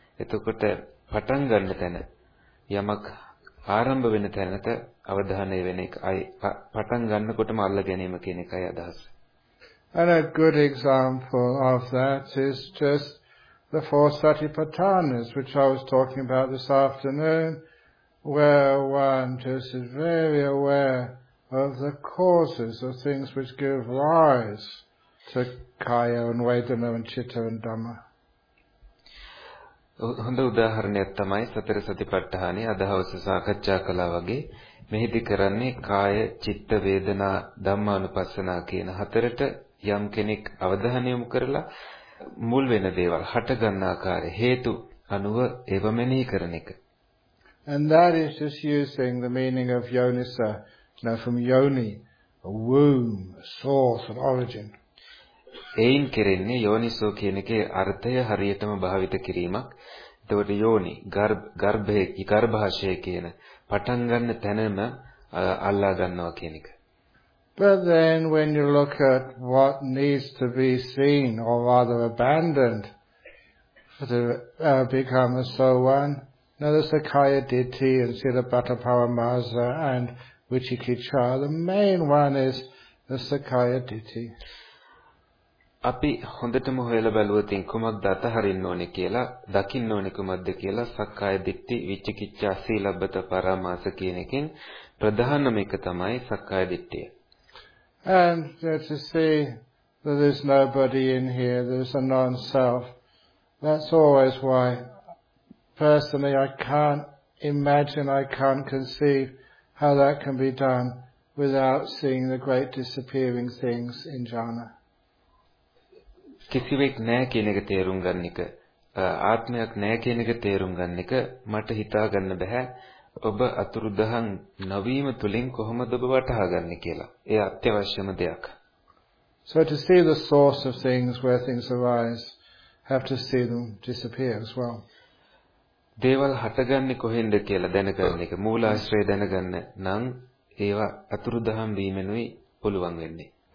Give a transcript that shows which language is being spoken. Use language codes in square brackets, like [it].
[si] එතකොට පටන් ගන්න තැන යමක් ආරම්භ වෙන තැනට අවධානය වෙන එකයි පටන් ගන්නකොටම අල්ල ගැනීම කියන එකයි අදහස. [en] And a good example of that is just the four satipatthanas which I was talking about this afternoon, where one just is very aware of the causes of things which give rise to kaya and vedana and citta and dhamma. [si] හොඳ උදාහරණයක් තමයි සතර සතිපට්ඨානෙ අදවස සාකච්ඡා කළා වගේ මෙහිදී කරන්නේ කාය චිත්ත වේදනා ධම්මානුපස්සනා කියන හතරට යම් කෙනෙක් අවධානය යොමු කරලා මුල් වෙන දේවල් හට ගන්න ආකාරය හේතු අනුව ඒව මෙනෙහි කරන එක. [en] And that is just using the meaning of yonisa, now from yoni, a womb, a source, an origin. [si] ඒයින් කෙරෙන්නේ යෝනිසෝ කියන එකේ අර්ථය හරියටම භාවිත කිරීමක්. එතකොට යෝනි ගර්භයේ ගර්භාෂයේ කියන පටන් ගන්න තැනම අල්ලා ගන්නවා කියන එක. [en] But then when you look at what needs to be seen or rather abandoned for to become a so one, now the Sakaya Ditti and Silabhata Paramasa and Vichikicca, the main one is the Sakaya Ditti. [si] අපි හොඳටම හොයලා බලුවොතින් කුමක්ද අතහරින්න ඕනේ කියලා දකින්න ඕනේ කුමක්ද කියලා සක්කාය දිට්ඨි විචිකිච්ඡා සීලබ්බත පරාමාස කියන එකෙන් ප්‍රධානම එක තමයි සක්කාය දිට්ඨිය. [en] And to see that there's nobody in here, there's a non-self. That's always why personally I can't imagine, I can't conceive how that can be done without seeing the great disappearing things in jhana. [si] කිසිවෙක් නැහැ කියන එක තේරුම් ගන්න එක ආත්මයක් නැහැ කියන එක තේරුම් ගන්න එක මට හිතා ගන්න බෑ ඔබ අතුරුදහන් නවීම තුලින් කොහොමද ඔබ වටහා ගන්න කියලා ඒ අත්‍යවශ්‍යම දෙයක්. [en] So to see the source of things where things arise have to see them disappear as well. [si] දේවල් හටගන්නේ කොහෙන්ද කියලා දැනගන්න එක මූලාශ්‍රය දැනගන්න නම් ඒවා අතුරුදහන් වීමෙනුයි පුළුවන් වෙන්නේ.